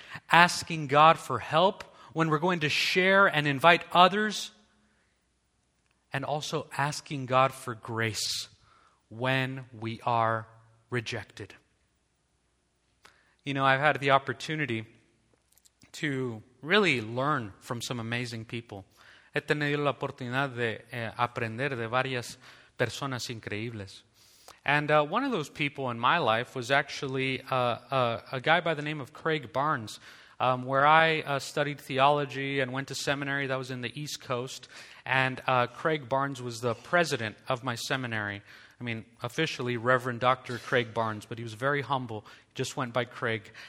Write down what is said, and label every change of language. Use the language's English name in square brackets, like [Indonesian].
[English] Asking God for help when we're going to share and invite others, and also asking God for grace when we are rejected. You know, I've had the opportunity to really learn from some amazing people. [Spanish] He tenido la oportunidad de aprender de varias personas increíbles. [English] And one of those people in my life was actually a guy by the name of Craig Barnes, where I studied theology and went to seminary. That was in the East Coast. And Craig Barnes was the president of my seminary. I mean, officially Reverend Dr. Craig Barnes, but he was very humble, just went by Craig.